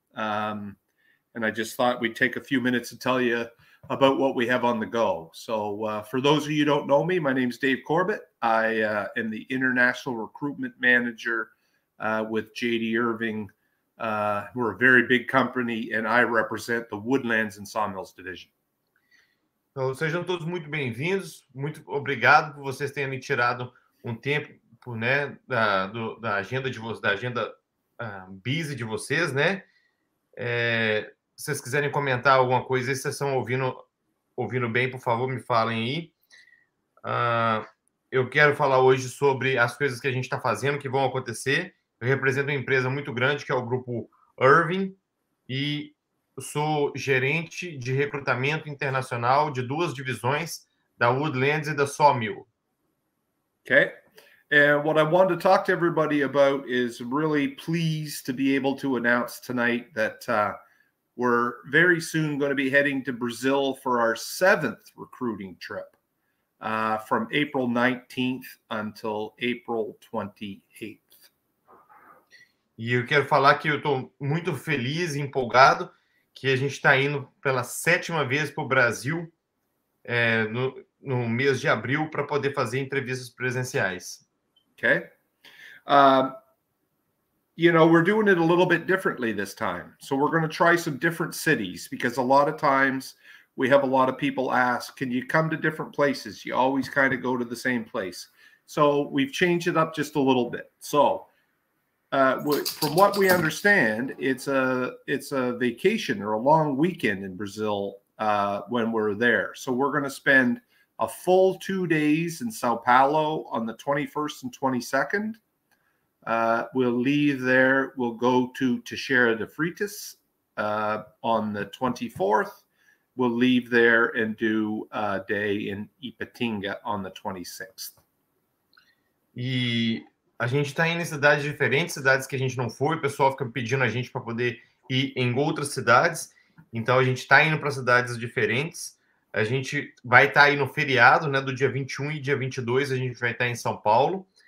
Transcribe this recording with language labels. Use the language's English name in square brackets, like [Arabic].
[English] And I just thought we'd take a few minutes to tell you about what we have on the go. So for those of you who don't know me, my name is Dave Corbett. I am the International Recruitment Manager with JD Irving. We're a very big company, and I represent the Woodlands and Sawmills Division. [Portuguese] Então, sejam todos muito bem-vindos, muito obrigado por vocês terem tirado um tempo, né, da agenda de vocês, da agenda busy de vocês, né? Se vocês quiserem comentar alguma coisa, se vocês estão ouvindo bem, por favor, me falem aí. Eu quero falar hoje sobre as coisas que a gente está fazendo, que vão acontecer. Eu represento uma empresa muito grande, que é o Grupo Irving, e eu sou gerente de recrutamento internacional de duas divisões, da Woodlands e da Sawmill. Okay. [English] And what I want to talk to everybody about is really pleased to be able to announce tonight that we're very soon going to be heading to Brazil for our seventh recruiting trip from April 19th until April 28th. [Portuguese] E eu quero falar que eu estou muito feliz e empolgado que a gente está indo pela sétima vez para o Brasil no mês de abril para poder fazer entrevistas presenciais. Ok. [English] You know, we're doing it a little bit differently this time. So we're going to try some different cities, because a lot of times we have a lot of people ask, can you come to different places? You always kind of go to the same place. So we've changed it up just a little bit. So from what we understand, it's a vacation or a long weekend in Brazil when we're there. So we're going to spend a full 2 days in Sao Paulo on the 21st and 22nd. We'll leave there. We'll go to TEIXEIRA de Freitas on the 24th. We'll leave there and do a day in IPATINGA on the 26th. [Portuguese] E a gente está indo em cidades diferentes, cidades que a gente não foi. O pessoal fica pedindo a gente para poder ir em outras cidades. Então, a gente está indo para cidades diferentes. A gente vai estar aí no feriado, né, do dia 21 e dia 22, a gente vai estar em São Paulo.